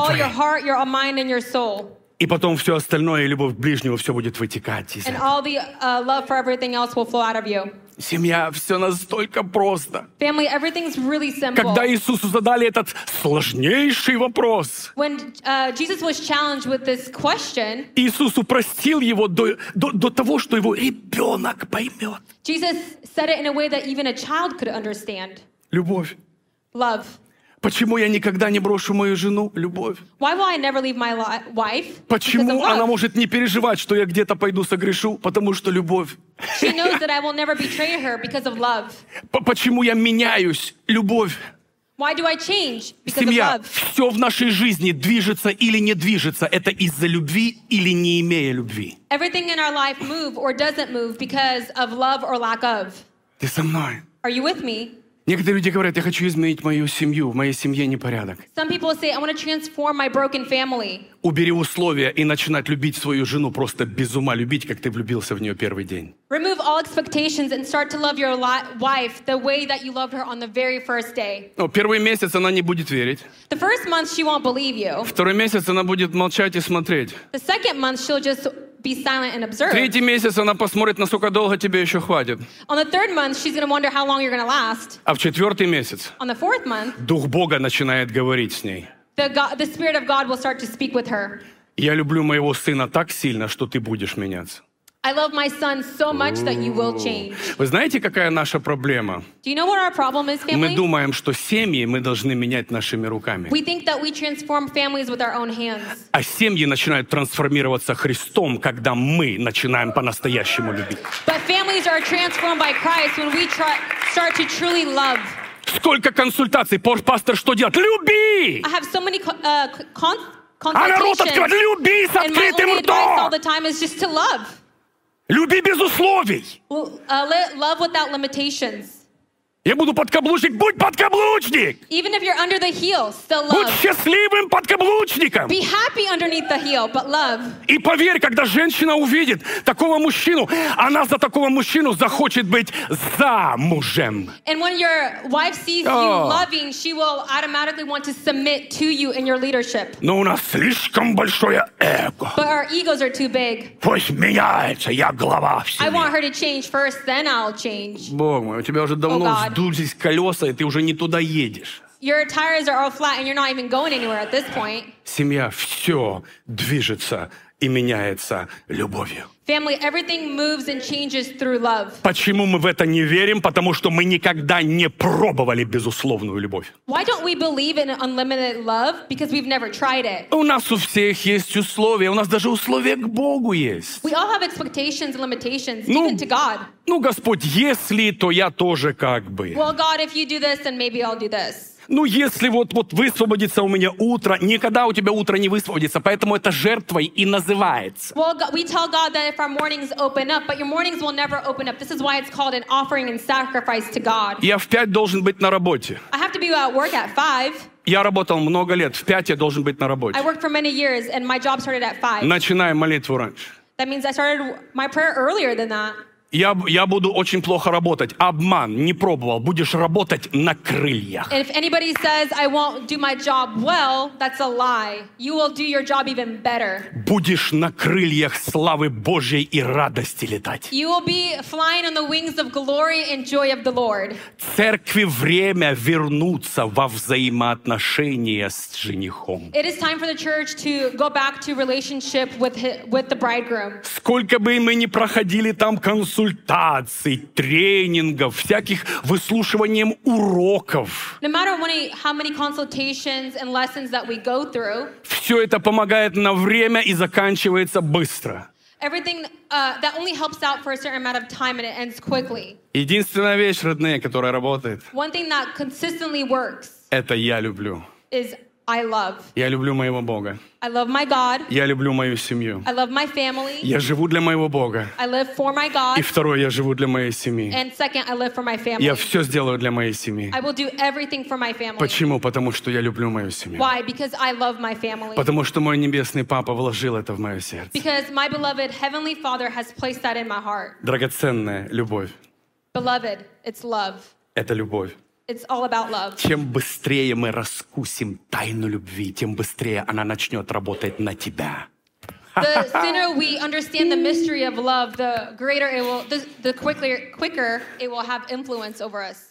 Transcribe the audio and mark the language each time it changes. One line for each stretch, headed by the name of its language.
Russian: твоей.
English: With all your heart, your mind, and your soul.
Russian: И потом все остальное, и любовь к ближнему, все будет вытекать из этого.
English: And all the love for everything else will flow out of you.
Russian: Семья, все настолько просто.
English: Family, everything's really simple.
Russian: Когда Иисусу задали этот сложнейший вопрос,
English: when, Jesus was challenged with this question,
Russian: Иисус упростил его до того, что его ребенок поймет.
English: Jesus said it in a way that even a child could understand.
Russian: Любовь.
English: Love.
Russian: Почему я никогда не брошу мою жену? Любовь.
English: Why will I never leave my wife?
Russian: Почему она может не переживать, что я где-то пойду согрешу? Потому что любовь.
English: She knows that I will never betray her because of love.
Russian: Почему я меняюсь? Любовь.
English: Why do I change? Because
Russian: Семья,
English: of love.
Russian: Все в нашей жизни движется или не движется. Это из-за любви или не имея любви.
English: Everything in our life move or doesn't move because of love or lack of.
Russian: Ты со мной?
English: Are you with me?
Russian: Некоторые люди говорят, я хочу изменить мою семью, в моей семье непорядок.
English: Some people say, I want to transform my broken family.
Russian: Убери условия и начинать любить свою жену, просто без ума любить, как ты влюбился в нее первый день.
English: Remove all expectations and start to love your wife the way that you loved her on the very first day.
Russian: Ну, первый месяц она не будет верить.
English: The first month she won't believe you.
Russian: Второй месяц она будет молчать и смотреть.
English: The second month she'll just be silent and observe.
Russian: Третий месяц она посмотрит, насколько долго тебе еще хватит.
English: On the third month she's going to wonder how long you're going to last.
Russian: А в четвертый месяц
English: on the fourth month
Russian: Дух Бога начинает говорить с ней.
English: The Spirit of God will start to speak with her.
Russian: Я люблю моего сына так сильно, что ты будешь меняться.
English: I love my son so much that you will change.
Russian: Вы знаете, какая наша проблема?
English: Do you know what our problem is, family?
Russian: Мы думаем, что семьи мы должны менять нашими руками.
English: We think that we transform families with our own hands.
Russian: А семьи начинают трансформироваться Христом, когда мы начинаем по-настоящему любить.
English: But families are transformed by Christ when we start to truly love.
Russian: Сколько консультаций, пастор, что делать? Люби!
English: I have so many consultations.
Russian: А народ открывает, люби с открытым ртом!
English: And my only advice all the time is just to love.
Russian: Люби без условий.
English: Love without limitations.
Russian: Я буду подкаблучник. Будь подкаблучник.
English: Even if you're under the heel, still love.
Russian: Будь счастливым подкаблучником.
English: Be happy underneath the heel, but love.
Russian: И поверь, когда женщина увидит такого мужчину, она за такого мужчину захочет быть замужем.
English: And when your wife sees you loving, she will automatically want to submit to you in your leadership.
Russian: Но у нас слишком большое эго.
English: But our egos are too big.
Russian: Пусть меняется, я глава всей.
English: I want her to change first, then I'll change.
Russian: Бог мой, у тебя уже давно сдулись колеса, и ты уже не туда едешь.
English: Your tires are all flat, and you're not even going anywhere at this point.
Russian: Семья, все движется и меняется любовью.
English: Family, everything moves and changes through love.
Russian: Почему мы в это не верим? Потому что мы никогда не пробовали безусловную любовь.
English: Why don't we believe in unlimited love? Because we've never tried it.
Russian: У нас у всех есть условия. У нас даже условия к Богу есть.
English: We all have expectations and limitations, even to God.
Russian: Ну, Господь, если, то я тоже как бы.
English: Well, God, if you do this, then maybe I'll do this.
Russian: Ну, если вот высвободится у меня утро, никогда у тебя утро не высвободится, поэтому это жертвой и называется.
English: Well, we tell God that if our mornings open up, but your mornings will never open up. This is why it's called an offering and sacrifice to God.
Russian: Я в 5 должен быть на работе.
English: I have to be at work at 5.
Russian: Я работал много лет, в 5 я должен быть на работе.
English: I worked for many years, and my job started at 5.
Russian: Начинаю молитву раньше.
English: That means I started my prayer earlier than that.
Russian: Я буду очень плохо работать. Обман. Не пробовал. Будешь работать на крыльях.
English: And if anybody says, I won't do my job well, that's a lie. You will do your job even better.
Russian: Будешь на крыльях славы Божьей и радости летать.
English: You will be flying on the wings of glory and joy of the Lord.
Russian: Церкви время вернуться во взаимоотношения с женихом.
English: It is time for the church to go back to relationship with the bridegroom.
Russian: Сколько бы мы ни проходили там консультаций, тренингов, всяких выслушиванием уроков.
English: No matter how many consultations and lessons that we go through,
Russian: все это помогает на время и заканчивается быстро.
English: Everything that only helps out for a certain amount of time and it ends quickly.
Russian: Единственная вещь, родные, которая работает.
English: One thing that consistently works.
Russian: Это я люблю.
English: Is I love.
Russian: Я люблю моего Бога.
English: I love my God.
Russian: Я люблю мою семью.
English: I love my family.
Russian: Я живу для моего Бога.
English: I live for my God.
Russian: И второе, я живу для моей семьи.
English: And second, I live for my family.
Russian: Я все сделаю для моей семьи.
English: I will do everything for my family.
Russian: Почему? Потому что я люблю мою семью.
English: Why? Because I love my family.
Russian: Потому что мой небесный папа вложил это в мое сердце.
English: Because my beloved heavenly father has placed that in my heart.
Russian: Драгоценная любовь.
English: Beloved, it's love.
Russian: Это любовь.
English: It's all about love.
Russian: Чем быстрее мы раскусим тайну любви, тем быстрее она начнет работать на тебя.
English: The sooner we understand the mystery of love, the greater it will, the quicker it will have influence over us.